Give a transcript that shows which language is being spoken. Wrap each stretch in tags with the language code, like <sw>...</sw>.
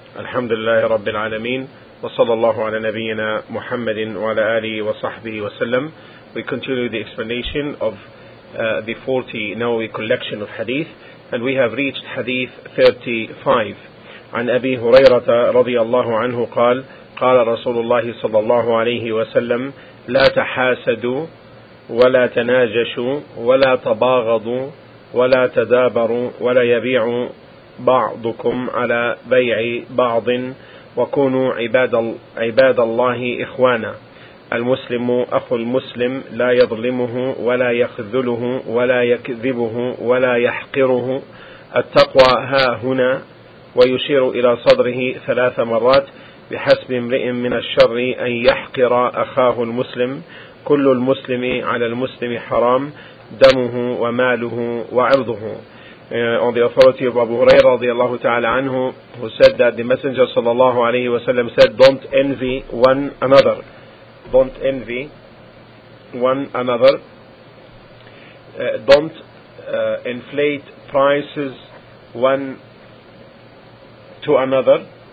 <ar>الحمد لله رب العالمين، وصلى الله على نبينا محمد وعلى آله وصحبه وسلم. We continue the explanation of the 40 Nawawi collection of hadith, and we have reached hadith 35. عن أبي هريرة رضي الله عنه قال قال رسول الله صلى الله عليه وسلم لا تحاسدوا ولا تناجشوا ولا تباغضوا ولا تدابروا ولا يبيع بعضكم على بيع بعض وكونوا عباد الله إخوانا. المسلم أخو المسلم لا يظلمه ولا يخذله ولا يكذبه ولا يحقره. التقوى ها هنا، ويشير إلى صدره ثلاث مرات بحسب امرئ من الشر أن يحقر أخاه المسلم. كل المسلم على المسلم حرام، دمه وماله وعرضه.</ar> <en>On the authority of Abu Hurairah radiallahu ta'ala anhu, who said that the Messenger sallallahu alayhi wa sallam said, don't envy one another. Don't envy one another. Don't inflate prices one to another.</en>